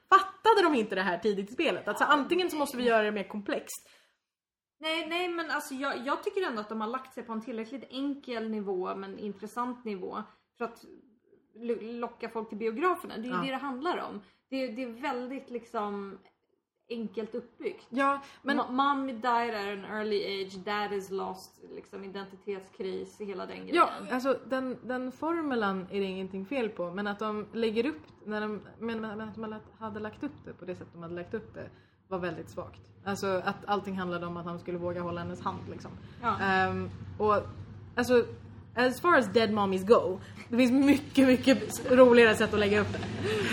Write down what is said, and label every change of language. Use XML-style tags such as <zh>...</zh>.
<sv>Fattade de inte det här tidigt i spelet? Alltså antingen så måste vi göra det mer komplext. Nej, men alltså jag tycker ändå att de har lagt sig på en tillräckligt enkel nivå, men intressant nivå, för att locka folk till biograferna. Det är ju det handlar om. Det är väldigt liksom enkelt uppbyggt. Ja, men</sv> <en>Mom died at an early age, dad is lost,</en> <sv>liksom identitetskris, hela den grejen. Ja, alltså den formulan är det ingenting fel på, men att de lägger upp när men att de hade lagt upp det på det sätt de hade lagt upp det var väldigt svagt. Alltså att allting handlade om att han skulle våga hålla hennes hand liksom. Ja. Och alltså,</sv> <en>as far as dead mommies go,</en> <sv>det finns mycket, mycket roligare sätt att lägga upp det.</sv>